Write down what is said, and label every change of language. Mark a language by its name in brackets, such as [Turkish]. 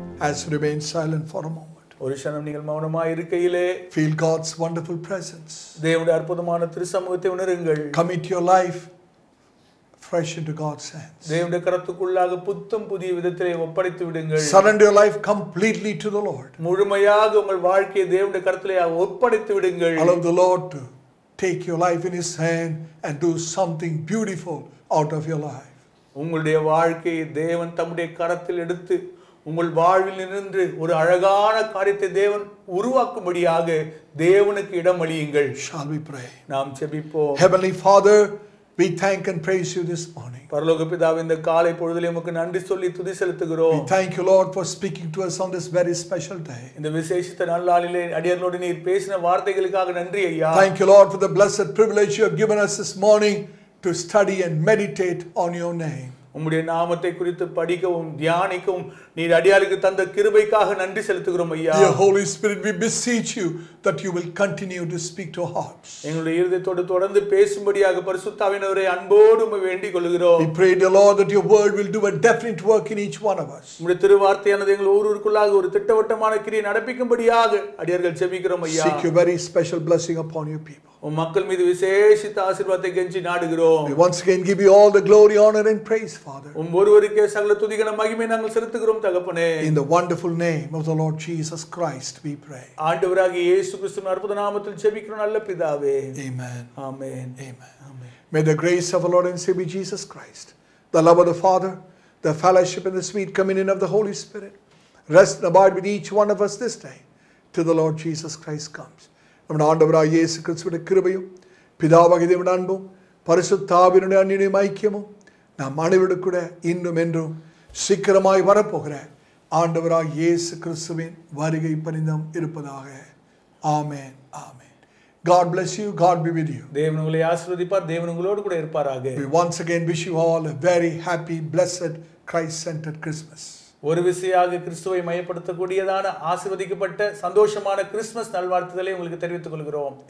[English] has remained silent for a moment. [Tamil] ஒரு ஷணம் நீங்கள் மௌனமாய் இருக்கையிலே [English] feel God's wonderful presence. [Tamil] தேவனுடைய அற்புதமான திருசமூகத்தை உணருங்கள். [English] Commit your life fresh into God's hands. [Tamil] தேவனுடைய கரத்துக்குள்ளாக புத்தம் புதிய விதத்திலே ஒப்படைத்து விடுங்கள். [English] Surrender your life completely to the Lord. [Tamil] முழுமையாக உங்கள் வாழ்க்கையை தேவனுடைய கரத்திலே ஒப்படைத்து விடுங்கள். [English] Allow the Lord to take your life in his hand and do something beautiful out of your life. [Tamil] உங்களுடைய வாழ்க்கையை தேவன் தம்முடைய கரத்தில் எடுத்து உங்கள் வாழ்வில் நின்று ஒரு அழகான காரியத்தை தேவன் உருவாக்கும்படியாக தேவனுக்கு இடம் அளியுங்கள். [English] Shall we pray? [Tamil] நாம் ஜெபிப்போம். [English] Heavenly Father, we thank and praise you this morning. [Tamil] பரலோக பிதாவே, இந்த காலை பொழுதிலே உமக்கு நன்றி சொல்லி துதி செலுத்துகிறோம். [English] We thank you Lord for speaking to us on this very special day. [Tamil] இந்த விசேஷித்த நாளிலே அடியார்களோடு நீர் பேசின வார்த்தைகளுக்காக நன்றி ஐயா. [English] Thank you Lord for the blessed privilege you have given us this morning to study and meditate on your name. [Tamil] உம்முடைய நாமத்தை குறித்து படிக்கவும் தியானிக்கவும் நீர் அடியாளுக்கு தந்த கிருபைக்காக நன்றி செலுத்துகிறோம் ஐயா. [English] Dear Holy Spirit, we beseech you that you will continue to speak to hearts. [Tamil] எங்களுடைய இருதயத்தோடு தொடர்ந்து பேசும்படியாக பரிசுத்தாவினவரே அன்போடு உம்மை வேண்டிக் கொள்கிறோம். [English] We pray dear Lord that your word will do a definite work in each one of us. [Tamil] உம்முடைய திருவார்த்தையானது எங்கள் ஒவ்வொருவருக்குள்ளாக ஒரு திட்டவட்டமான கிரியை நடப்பிக்கும்படியாக அடியார்கள் ஜெபிக்கிறோம் ஐயா. [English] Seek your very special blessing upon your people. [Tamil] மக்கள் மீது விசேஷித்த ஆசீர்வாதத்தை கெஞ்சி நாடுகிறோம். [English] We once again give you all the glory, honor and praise, Father. [Tamil] ஒவ்வொருவருக்கே சகல துதி கன மகிமை நாங்கள் செலுத்துகிறோம் தகப்பனே. [English] In the wonderful name of the Lord Jesus Christ we pray. [Tamil] ஆண்டவராகிய இயேசு கிறிஸ்துவின் அற்புத நாமத்தில் ஜெபிக்கிறோம் நல்ல பிதாவே. [English] Amen. Amen. Amen. May the grace of our Lord and Savior Jesus Christ, the love of the Father, the fellowship and the sweet communion of the Holy Spirit rest and abide with each one of us this day till the Lord Jesus Christ comes. [Tamil] நம்முடைய ஆண்டவராகிய இயேசு கிறிஸ்துவின் கிருபையும் பிதாவாகிய தேவனுடைய அன்பும் பரிசுத்தாவினுடைய அன்னிய ஐக்கியமும் நாம் அனைவருக்கும் இன்னும் என்றும் சீக்கிரமாய் வரப்போகிற ஆண்டவராகிய இயேசு கிறிஸ்துவின் வருகை பணிந்தம் இருப்பதாக. ஆமென், ஆமென். [English] God bless you, God be with you. [Tamil] தேவன் உங்களை ஆசீர்வதிப்பார், தேவன் உங்களோடு கூட இருப்பாராக. [English] We once again wish you all a very happy, blessed, Christ-centered Christmas. [Tamil] ஒரு விசையாக கிறிஸ்துவை மையப்படுத்தக்கூடியதான ஆசீர்வதிக்கப்பட்ட சந்தோஷமான கிறிஸ்துமஸ் நல்வாழ்த்துதலை உங்களுக்கு தெரிவித்துக் கொள்கிறோம்.